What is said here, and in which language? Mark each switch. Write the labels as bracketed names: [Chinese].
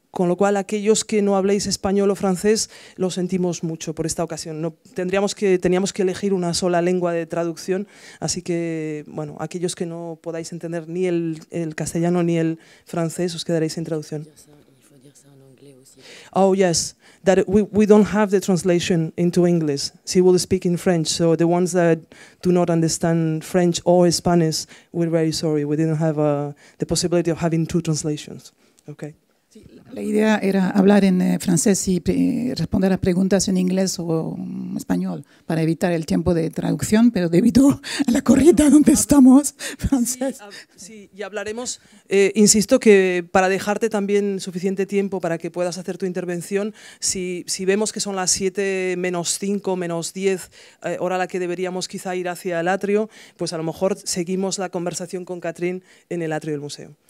[Spanish] Con lo cual, aquellos que no habléis español o francés, lo sentimos mucho por esta ocasión. No, teníamos que elegir una sola lengua de traducción, así que, bueno, aquellos que no podáis entender ni el castellano ni el francés, os quedaréis sin traducción. [English] Oh, yes, that we don't have the translation into English. She will speak in French, so the ones that do not understand French or Spanish, we're very sorry. We didn't have the possibility of having two translations. Okay. [Spanish] La idea era hablar en francés y responder a preguntas en inglés o español para evitar el tiempo de traducción, pero debido a la corrida donde estamos, francés. Sí, y hablaremos, insisto, que para dejarte también suficiente tiempo para que puedas hacer tu intervención, si vemos que son las 7 menos 5, menos 10, hora a la que deberíamos quizá ir hacia el atrio, pues a lo mejor seguimos la conversación con Catherine en el atrio del museo.